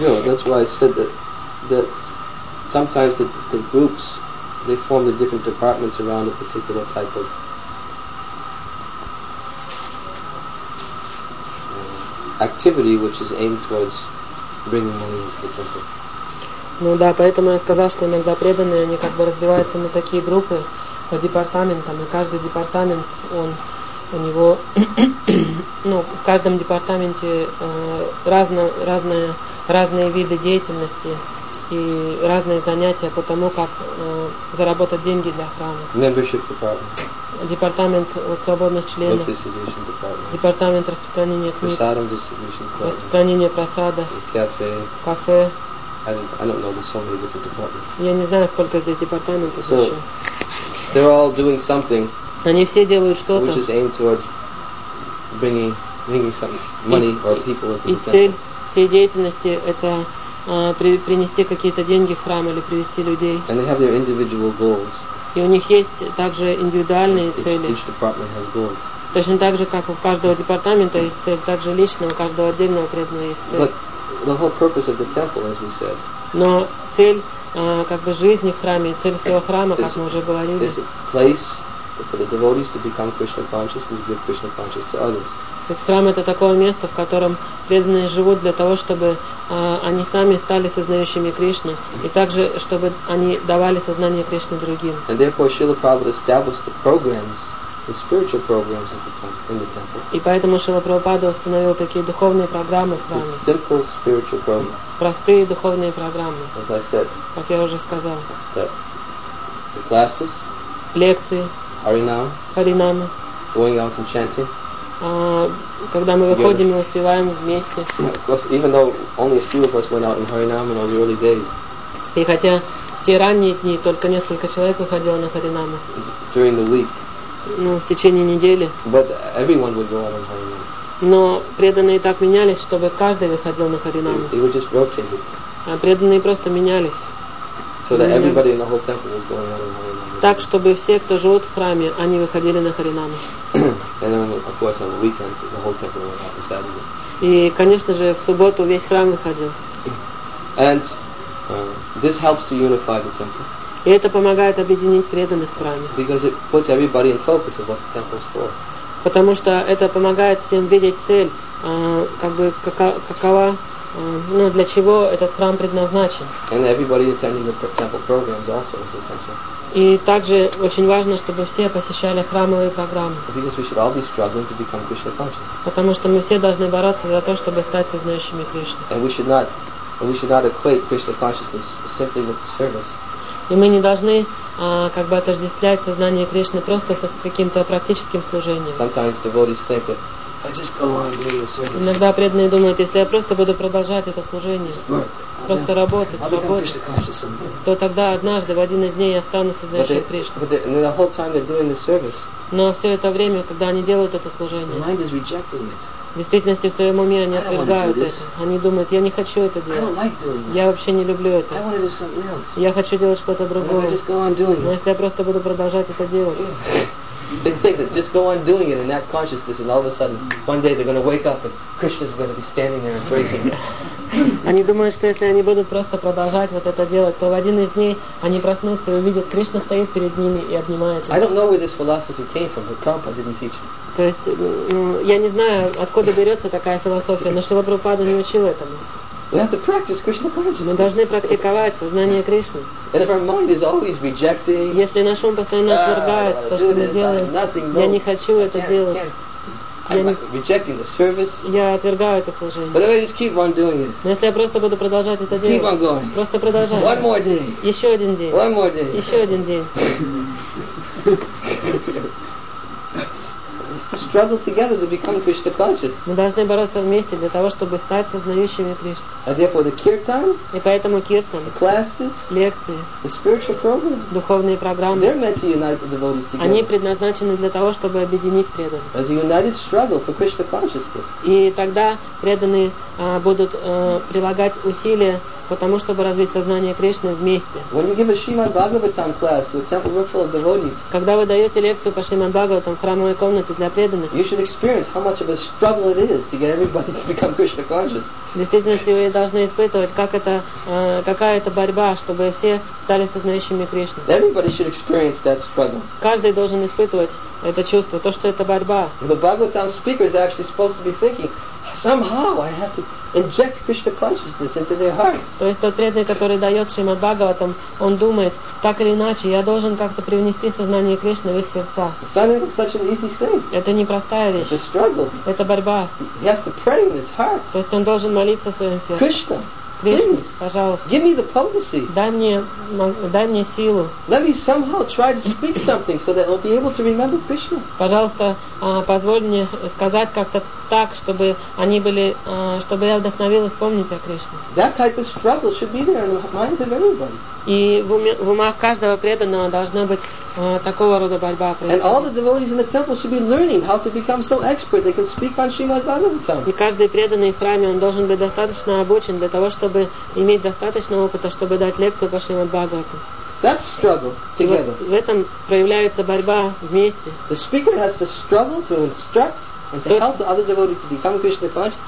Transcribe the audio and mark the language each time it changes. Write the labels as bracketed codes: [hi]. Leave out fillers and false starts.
[en] Yeah, that's why I said that sometimes the groups, they form the different departments around a particular type of activity which is aimed towards bringing money into the temple. [ru] Ну да, поэтому я сказал, что иногда преданные, они как бы разбиваются на такие группы по департаментам, и каждый департамент, он у него, ну, в каждом департаменте разные виды деятельности и разные занятия по тому, как заработать деньги для храма. [en] Membership department. [ru] Департамент вот свободных членов. [en] Book distribution department. [ru] Департамент распространения книг. [en] Prasadam distribution department. [ru] Распространение просада. [en] Кафе. [ru] Кафе. [en] I don't know, there's so many different departments. [ru] Я не знаю, сколько здесь департаментов. [en] So, they're all doing something. [ru] Они все делают что-то. [en] Which is aimed towards bringing some money or people into the temple. [ru] И цель всей деятельности это принести какие-то деньги в храм или привести людей. [en] And they have their individual goals. [ru] И у них есть также индивидуальные цели. [en] Each department has goals. [ru] Точно так же, как у каждого департамента есть цель, так же лично у каждого отдельного преданного есть цель. [en] But the whole purpose of the temple, as we said. [ru] Но цель как бы жизни в храме, цель всего храма, как мы уже говорили. [en] Is a place for the devotees to become Krishna conscious and to give Krishna consciousness to others. [ru] То есть храм это такое место, в котором преданные живут для того, чтобы они сами стали сознающими Кришны, и также чтобы они давали сознание Кришны другим. [en] And therefore, Srila Prabhupada established the programs. The spiritual programs in the temple. [ru] И поэтому Шрила Прабхупада установил такие духовные программы в храме. [en] Simple spiritual programs. [ru] Простые духовные программы. [en] As I said. [ru] Как я уже сказал. [en] The classes. [ru] Лекции. [en] Харинам. [ru] Харинамы. [en] Going out and chanting. [ru] Когда мы выходим и успеваем вместе. [en] Of course, even though only a few of us went out in Харинам in all the early days. [ru] И хотя в те ранние дни только несколько человек выходило на Харинамы. [en] During the week. [ru] Ну, в течение недели. [en] But everyone would go out on [ru] Харинаму. Но преданные так менялись, чтобы каждый выходил на Харинаму. [en] They would just rotate. [ru] А преданные просто менялись. [en] So that everybody in the whole temple was going out on Харинаму. [ru] Так, чтобы все, кто живут в храме, они выходили на Харинаму. [en] And then, of course, on the weekends, the whole temple went out on Saturday. [ru] И, конечно же, в субботу весь храм выходил. [en] And this helps to unify the temple. [ru] И это помогает объединить преданных в храме. [en] Because it puts everybody in focus of what the temple is for. [ru] Потому что это помогает всем видеть цель, как бы какова, ну, для чего этот храм предназначен. [en] And everybody attending the temple programs also is essential. [ru] И также очень важно, чтобы все посещали храмовые программы. [en] Because we should all be struggling to become Krishna conscious. [ru] Потому что мы все должны бороться за то, чтобы стать сознающими Кришны. [en] And we should not equate Krishna consciousness simply with service. [ru] И мы не должны как бы отождествлять сознание Кришны просто с каким-то практическим служением. [en] Sometimes devotees think that I just go on doing the service. [ru] Иногда преданные думают, если я просто буду продолжать это служение, просто работать, то тогда однажды, в один из дней, я стану сознающим Кришной. [en] But the whole time they're doing the service. [ru] Но все это время, когда они делают это служение, [en] the mind is rejecting it. [ru] В действительности в своем уме они отвергают это. Они думают, я не хочу это делать. Я вообще не люблю это. Я хочу делать что-то другое. Но если я просто буду продолжать это делать. [en] They think that just go on doing it in that consciousness and all of a sudden one day they're going to wake up and Krishna's going to be standing there embracing them. [ru] Они думают, что если они будут просто продолжать вот это делать, то в один из дней они проснутся и увидят, Кришна стоит перед ними и обнимает их. [en] I don't know where this philosophy came from, but Prabhupada didn't teach it. [ru] То есть, я не знаю, откуда берется такая философия, но Шрила Прабхупада не учил этому. [en] We have to practice Krishna consciousness. [ru] Мы должны практиковать сознание Кришны. [en] And if our mind is always rejecting, [ru] если наш ум постоянно отвергает то, что мы делаем, я не хочу это делать. Я отвергаю это служение. [en] But if I just keep on doing it, [ru] но если я просто буду продолжать это делать, [en] keep on going. [ru] Просто продолжать. [en] One more day. [ru] Еще один день. [en] One more day. [ru] Еще один день. [en] Struggle together to become Krishna conscious. [ru] Мы должны бороться вместе для того, чтобы стать сознающими Кришну. [en] And therefore the kirtan. [ru] И поэтому kirtan. [en] The classes. [ru] Лекции. [en] The spiritual program. [ru] Духовные программы. [en] They're meant to unite the devotees together. [ru] Они предназначены для того, чтобы объединить преданных. [en] As a united struggle for Krishna consciousness. [ru] И тогда преданные будут прилагать усилия, потому чтобы развить сознание Кришны вместе. [en] When you give a Srimad Bhagavatam class to a temple room full of devotees, [ru] когда вы даете лекцию по Шримад Бхагаватам в храмовой комнате для преданных, [en] you should experience how much of a struggle it is to get everybody to become Krishna conscious. [ru] В действительности вы должны испытывать, как это, какая это борьба, чтобы все стали сознающими Кришны. [en] Everybody should experience that struggle. [ru] Каждый должен испытывать это чувство, то, что это борьба. [en] The Bhagavatam speaker is actually supposed to be thinking, somehow I have to inject Krishna consciousness into their hearts. [ru] То есть тот преданный, который дает Шримад Бхагаватам, он думает, так или иначе, я должен как-то привнести сознание Кришны в их сердца. [en] It's not even such an easy thing. [ru] Это непростая вещь. [en] It's a struggle. [ru] Это борьба. [en] He has to pray in his heart. [ru] То есть он должен молиться в своем сердце. [en] Krishna, [ru] Кришна, [en] please, [ru] пожалуйста. [en] Give me the potency. [ru] Дай мне силу. [en] Let me somehow try to speak something so that I'll be able to remember Krishna. [ru] Пожалуйста, позволь мне сказать как-то так, чтобы они были, чтобы я вдохновил их помнить о Кришне. [en] That type of struggle should be there in the minds of everybody. [ru] И в умах каждого преданного должна быть такого рода борьба. [en] And all the devotees in the temple should be learning how to become so expert they can speak on Srimad Bhagavatam. [ru] И каждый преданный в храме он должен быть достаточно обучен для того, чтобы иметь достаточно опыта, чтобы дать лекцию по Шримад Бхагаватам. [en] That's struggle together. [ru] В этом проявляется борьба вместе. [en] The speaker has to struggle to instruct and to help the other devotees to become Krishna conscious.